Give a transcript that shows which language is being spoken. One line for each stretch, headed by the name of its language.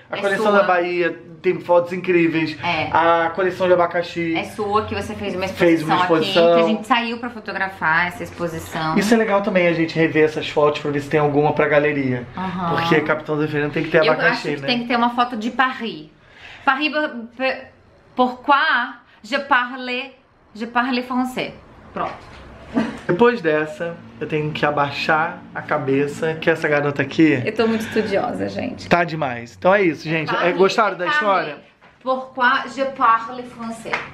Portuguese: A coleção da Bahia tem fotos incríveis. É. A coleção de abacaxi. É sua, que você fez uma exposição aqui, que a gente saiu pra fotografar essa exposição. Isso é legal também, a gente rever essas fotos pra ver se tem alguma pra galeria. Uhum. Porque Capitão do Inferno tem que ter abacaxi, eu acho que né? Tem que ter uma foto de Paris.
French: Paris, pourquoi je parle français?
Portuguese: Pronto. Depois dessa, eu tenho que abaixar a cabeça, que essa garota aqui... Eu tô muito estudiosa, gente. Tá demais. Então é isso, gente. Paris, gostaram da história?
French: Pourquoi je parle français?